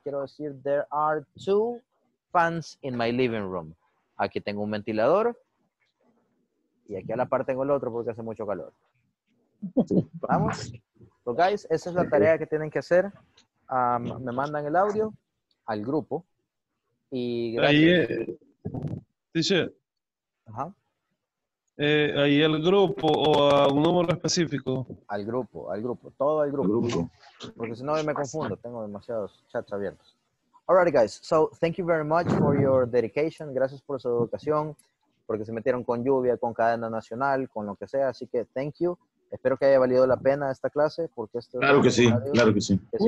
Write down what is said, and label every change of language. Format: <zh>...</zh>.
<es>Quiero decir,</es> <en>there are two fans in my living room.</en> <es>Aquí tengo un ventilador. Y aquí a la par tengo el otro porque hace mucho calor. Vamos.</es> <en>So guys,</en> <es>esa es la tarea que tienen que hacer. Me mandan el audio al grupo. Y ahí, dice, ahí el grupo o a un número específico. Al grupo, todo al grupo. Grupo. Porque si no me confundo, tengo demasiados chats abiertos.</es> <en>Alrighty guys, so thank you very much for your dedication.</en> <es>Gracias por su educación, porque se metieron con lluvia, con cadena nacional, con lo que sea. Así que</es> <en>thank you.</en> <es>Espero que haya valido la pena esta clase, porque esto claro es que sí, radio, claro que sí.</es>